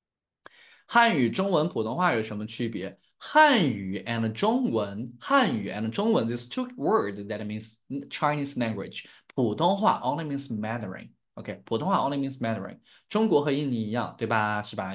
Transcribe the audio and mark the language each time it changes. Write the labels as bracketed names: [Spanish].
[Chinese] 所以我们才能跟大家一起说话。汉语中文普通话有什么区别？ [English] 汉语 and 中文, these two words that means Chinese language. 普通话 only means Mandarin. Okay, 普通话 only means Mandarin. [Chinese] 中国和印尼一样，对吧？是吧？